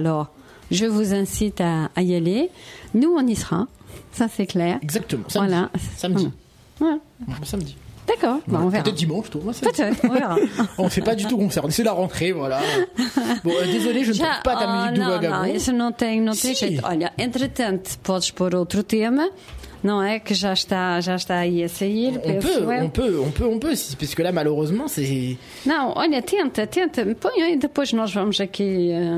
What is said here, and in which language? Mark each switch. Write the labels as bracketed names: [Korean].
[French] Alors, je vous incite à y aller. Nous, on y sera. Ça, c'est clair. Exactement. Samedi. Voilà. Samedi. Voilà. Ouais. Samedi. D'accord. Ouais. Bah, on verra. Peut-être dimanche, toi. Peut-être. On verra. On fait pas du tout concert. C'est la rentrée, voilà. Bon, désolé, je ne trouve pas ta musique de vagabond. [Portuguese] Non, isso não tem, não tem jeito. Olha, entretanto, podes pôr outro tema. Non, hein, que já está aí a sair. [French] On peut, parce que là, malheureusement, c'est... [Portuguese] Non, olha, tente. Põe, et depois nós vamos aqui...